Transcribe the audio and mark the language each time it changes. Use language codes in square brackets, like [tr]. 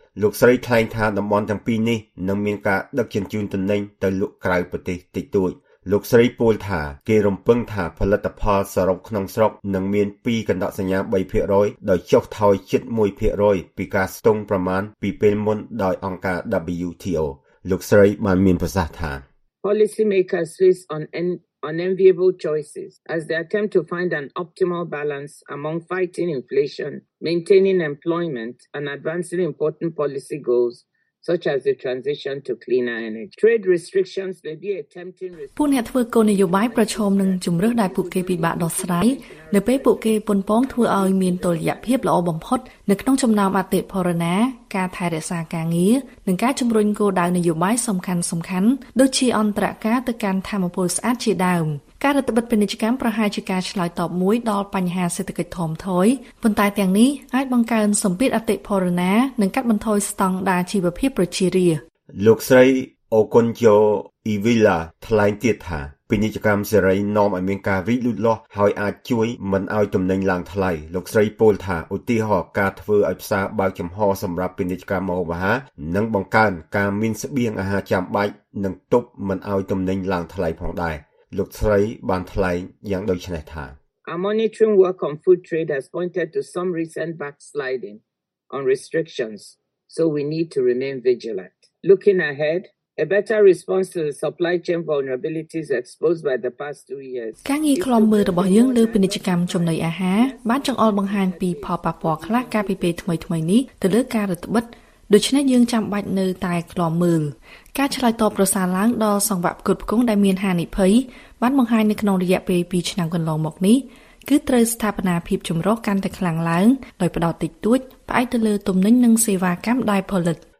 [km] លោកស្រីថ្លែងថាតំបន់ទាំងពីរនេះនឹងមានការដឹកជញ្ជូនទំនិញទៅលក់ក្រៅប្រទេសតិចតួចលោកស្រីពោលថាគេរំពឹងថាផលិតផលសរុបក្នុងស្រុកនឹងមាន2%/3%ដោយចុះថយជិត1%ពីការស្ទង់ប្រមាណពីពេលមុនដោយអង្គការ WTO លោកស្រីបានមានប្រសាសន៍ថា [en] Policy makers risk unenviable choices as they attempt to find an optimal balance among fighting inflation, maintaining employment, and advancing important policy goals such as the transition to cleaner energy. Trade restrictions may be a tempting [km] response. ពួកអ្នកធ្វើគោលនយោបាយប្រឈមនឹងជំរើសដែលពួកគេពិបាកដោះស្រាយនៅពេលពួកគេពន់ពងធ្វើឲ្យមានតុល្យភាពល្អបំផុតនៅក្នុងចំណោមអតិផរណាការថែរក្សាការងារនិងការជំរុញគោលដៅនយោបាយសំខាន់ដូចជាអន្តរការទៅកាន់ធម្មពលស្អាតជាដើមការរដ្ឋបិទពាណិជ្ជកម្មប្រហែលជាការឆ្លើយតបមួយដល់បញ្ហាសេដ្ឋកិច្ចធំធយប៉ុន្តែទាំងនេះអាចបង្កើនសម្ពាធអតិផរណានិងកាត់បន្ថយស្តង់ដារជីវភាពប្រជារាស្ត្រ លោកស្រីអូកុនជូអ៊ីវីឡាថ្លែងទៀតថាពាណិជ្ជកម្មសេរីនាំឲ្យមានការវិលូតលាស់ហើយអាចជួយមិនឲ្យទំនិញឡើងថ្លៃលោកស្រីពោលថាឧទាហរណ៍ការធ្វើឲ្យផ្សារបើកចំហសម្រាប់ពាណិជ្ជកម្មម្ហូបអាហារនិងបង្កើនការមានស្បៀងអាហារចាំបាច់និងទប់មិនឲ្យទំនិញឡើងថ្លៃផងដែរលោកស្រីបានថ្លែងយ៉ាងដូចនេះថា [en] Our monitoring work on food trade has pointed to some recent backsliding on restrictions so we need to remain vigilant looking ahead A better response to the supply chain vulnerabilities exposed by the past 2 years. [km] ការងារខ្លំមើលរបស់យើងលើពាណិជ្ជកម្មចំណីអាហារបានចង្អុលបង្ហាញពីផលប៉ះពាល់ខ្លះកាលពីពេលថ្មីៗនេះទៅលើការរដ្ឋបិទដូច្នេះយើងចាំបាច់នៅតែខ្លំមើលការឆ្លើយតបប្រសាឡើងដល់សង្វាក់ផ្គត់ផ្គង់ដែលមានហានិភ័យបានបង្ហាញនៅក្នុងរយៈពេល2ឆ្នាំកន្លងមកនេះគឺត្រូវស្ថាបនាភាពចម្រុះកាន់តែខ្លាំងឡើងដោយផ្ដោតតិចតួចផ្អែកទៅលើទំនិញនិងសេវាកម្មដែលផលិត